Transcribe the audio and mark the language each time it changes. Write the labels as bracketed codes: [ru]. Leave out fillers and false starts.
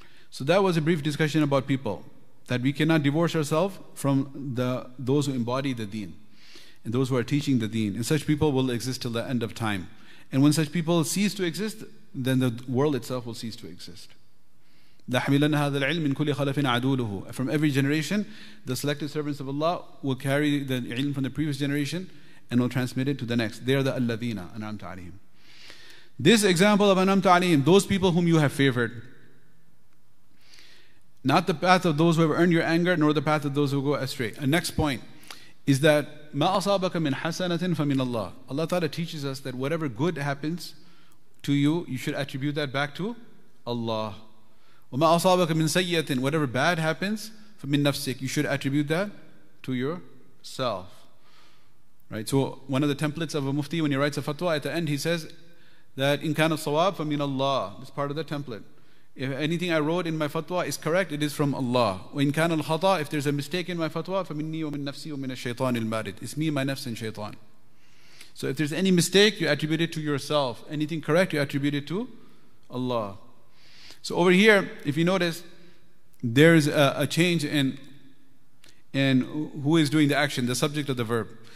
[en] So that was a brief discussion about people, that we cannot divorce ourselves from those who embody the deen and those who are teaching the deen. And such people will exist till the end of time. And when such people cease to exist, then the world itself will cease to exist. [ar] لحملن هذا العلم من كل خلف عدوله. [en] From every generation, the selected servants of Allah will carry the ilm from the previous generation and will transmit it to the next. They are the [ar] alladhina an'amta alayhim. [en] This example of an'amta alayhim, those people whom you have favored. Not the path of those who have earned your anger, nor the path of those who go astray. And next point is that [ar] ما أصابك من حسنة فمن الله. [en] Allah Ta'ala teaches us that whatever good happens to you, you should attribute that back to Allah. [ar] وما أصابك من سيئة, [en] whatever bad happens, [ar] فمن نفسك, [en] you should attribute that to yourself. Right? So one of the templates of a mufti when he writes a fatwa, at the end he says that [ar] إن كان الصواب فمن الله. [en] It's part of the template. If anything I wrote in my fatwa is correct, it is from Allah. [ar] وإن كان الخطأ, [en] if there's a mistake in my fatwa, [ar] فمني ومن نفسي ومن الشيطان المارد. [en] It's me, my nafs, and shaitan. So if there's any mistake, you attribute it to yourself. Anything correct, you attribute it to Allah. So over here, if you notice, there is a change in who is doing the action, the subject of the verb.